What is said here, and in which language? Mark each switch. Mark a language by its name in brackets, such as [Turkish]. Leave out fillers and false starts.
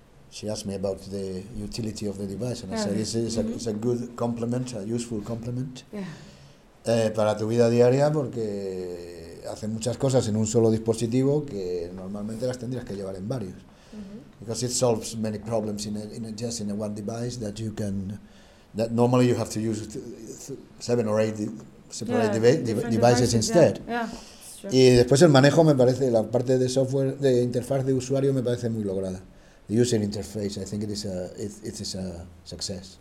[English] She asked me about the utility of the device, and I said, it's a good complement, a useful complement. Yeah. [Spanish] Para tu vida diaria, porque hace muchas cosas en un solo dispositivo que normalmente las tendrías que llevar en varios. Mm-hmm. [English] Because it solves many problems in one device that you can, that normally you have to use seven or eight separate devices instead. Yeah. [Spanish] Y después el manejo me parece, la parte de software, de interfaz de usuario me parece muy lograda. [English] The user interface, I think it is a success.